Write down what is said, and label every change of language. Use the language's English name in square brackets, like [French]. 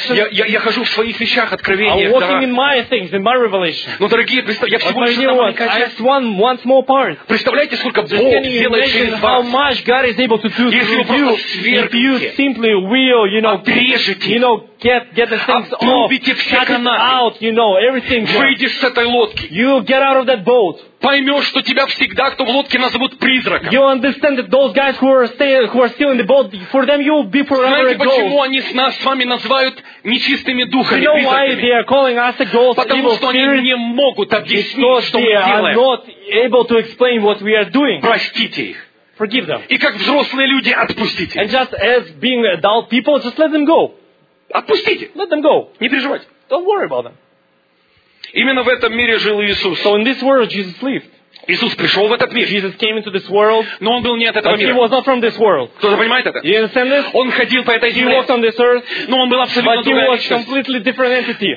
[Russian] Я хожу в своих вещах, откровениях, дарах. [English] In my things, in my revelation. [Russian] Но, дорогие, я всего лишь маленький элемент. Представляете, сколько Бог делает через вас. Если вы просто сверхите, отрежете, [English] get the things off, cut it out, you know, everything. [Russian] Выйдешь с этой лодки. [English] You get out of that boat. [Russian] Поймешь, что тебя всегда, кто в лодке, назовут призраком. [English] You understand that those guys who are still in the boat, for them you will be forever a ghost. [Russian] Знаете, почему они нас с вами называют нечистыми духами, призраками? [English] You know why they are calling us a ghost, evil spirit? [Russian] Потому что они не могут объяснить, что мы делаем. [English] Because they are not able to explain what we are doing. [Russian] Простите их. [English] Forgive them. [Russian] И как взрослые люди, отпустите. [English] And just as being adult people, just let them go. [Russian] Отпустите. [English] Let them go. [Russian] Не переживайте. [English] Don't worry about them. [Russian] Именно в этом мире жил Иисус. [English] So in this world Jesus lived. [Russian] Иисус пришел в этот мир. [English] Jesus came into this world. [Russian] Но он был не от этого мира. [English] He was not from this world. [Russian] Кто-то понимает это? [English] You understand this? [Russian] Он ходил по этой земле. [English] He walked on this earth. [Russian] Но он был абсолютно другой. [English] But he was completely different entity.